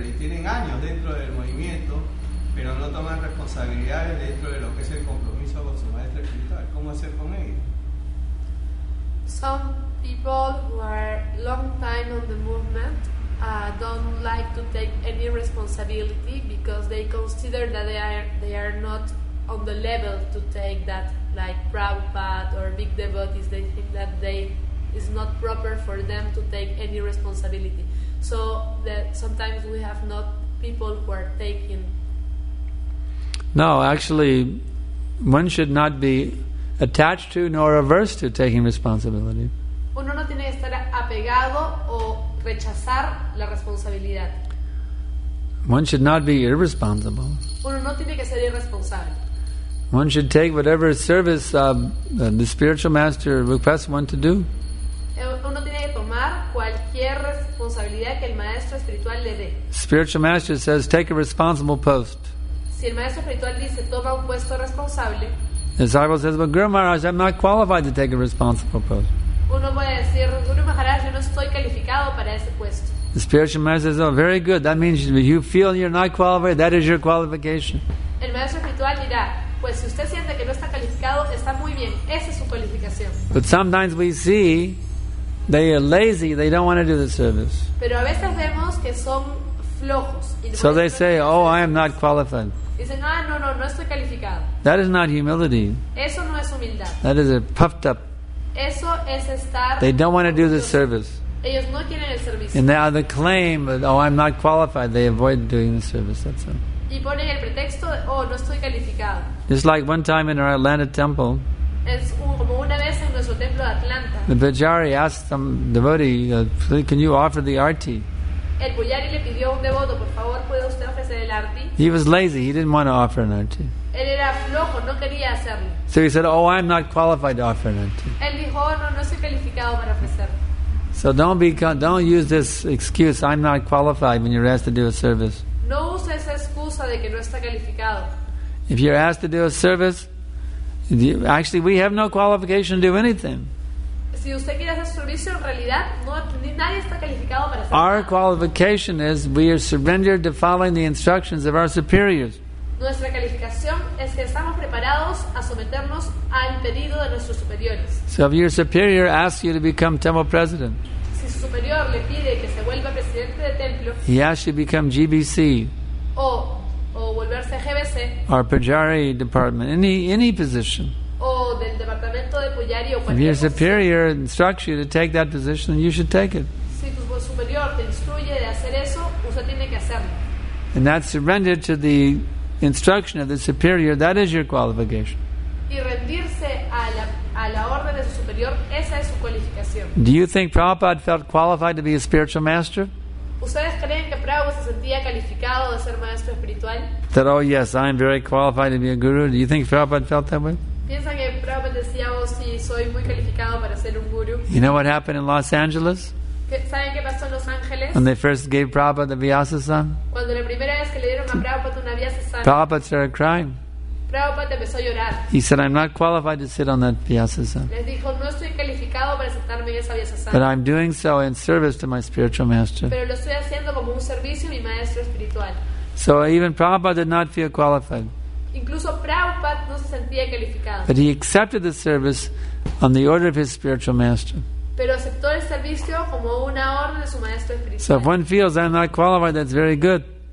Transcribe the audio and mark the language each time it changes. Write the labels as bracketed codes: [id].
[es] engaños dentro del movimiento, pero no toman responsabilidades dentro de lo que es el compromiso con su maestro espiritual. ¿Cómo hacer con ellos? [en] Some people who are long time on the movement don't like to take any responsibility because they consider that they are not on the level to take that, like Prabhupada or big devotees. They think that they is not proper for them to take any responsibility. So that sometimes we have not people who are taking. No, actually, one should not be attached to nor averse to taking responsibility. [es] Uno no tiene que estar apegado o rechazar la responsabilidad. [en] One should not be irresponsible. [es] Uno no tiene que ser irresponsable. [en] One should take whatever service the spiritual master requests one to do. [es] Uno tiene que tomar cualquier responsabilidad que el maestro espiritual le dé. [en] Spiritual master says, take a responsible post. [es] Si el maestro espiritual dice, toma un puesto responsable. [en] The disciple says, but Guru Maharaj, I'm not qualified to take a responsible post. [es] Uno puede decir, Guru Maharaj, yo no estoy calificado para ese puesto. [en] The spiritual master says, oh, very good. That means you feel you're not qualified. That is your qualification. [es] El maestro espiritual dirá, pues si usted siente que no está calificado, está muy bien. Esa es su calificación. [en] But sometimes we see they are lazy. They don't want to do the service. [es] Pero a veces vemos que son flojos. [en] So they say, oh, I am not qualified. [es] Dicen, ah, no estoy calificado. [en] That is not humility. [es] Eso no es humildad. [en] That is a puffed up. [es] Eso es estar. [en] They don't want to do the service. [es] Ellos no quieren el servicio. [en] And they have the claim that, oh, I'm not qualified. They avoid doing the service. That's it. [es] Y ponen el pretexto de, oh, no estoy calificado. [en] Just like one time in our Atlanta temple. [es] Es como una vez en nuestro templo de Atlanta. [en] The Pujari asked some devotee, please, can you offer the arti? [es] El Pujari le pidió a un devoto, por favor, ¿puede usted ofrecer el arti? [en] He was lazy. He didn't want to offer an arti. [es] Él era flojo, no quería hacerlo. [en] So he said, oh, I'm not qualified to offer an arti. [es] Él dijo, no soy calificado para ofrecerlo. [en] So don't use this excuse, I'm not qualified, when you're asked to do a service. [es] No use esa excusa de que no está calificado. [en] If you're asked to do a service, actually we have no qualification to do anything. [es] Si usted quiere hacer servicio, en realidad nadie está calificado para hacerlo. [en] Our qualification is we are surrendered to following the instructions of our superiors. [es] Nuestra calificación es que estamos preparados a someternos al pedido de nuestros superiores. [en] So if your superior asks you to become temple president, [es] si su superior le pide que se vuelva presidente de templo, [en] he asks you to become GBC. [es] O volverse GBC. [en] Or Pujari department, any position. [es] O del departamento de Pujari o cualquier. [en] If your superior instructs you to take that position, you should take it. [es] Si tu superior te instruye de hacer eso, usted tiene que hacerlo. [en] And that surrender to the instruction of the superior, that is your qualification. [es] Y rendirse a la orden de su superior, esa es su cualificación. [en] Do you think Prabhupada felt qualified to be a spiritual master? [es] ¿Ustedes creen que Prabhupada se sentía calificado de ser maestro espiritual? [en] That, oh yes, I am very qualified to be a guru. Do you think Prabhupada felt that way? [es] ¿Piensa que Prabhupada decía, oh sí, soy muy calificado para ser un guru? [en] You know what happened in Los Angeles? [es] ¿Saben qué pasó en Los Ángeles? [en] When they first gave Prabhupada the Vyasa-san. [es] Cuando la primera vez que le dieron a Prabhupada una Vyasa-san. [en] Prabhupada started crying. [es] Prabhupada empezó a llorar. [en] He said, I'm not qualified to sit on that Vyasa-san. [es] Les dijo, no estoy calificado para sentarme en esa Vyasa-san. [en] But I'm doing so in service to my spiritual master. [es] Pero lo estoy haciendo como un servicio a mi maestro espiritual. [en] So even Prabhupada did not feel qualified. [es] Incluso Prabhupada no se sentía calificado. [en] But he accepted the service on the order of his spiritual master. [es] Pero aceptó el servicio como una orden de su maestro espiritual. [en] So if one feels I'm not qualified, that's very good.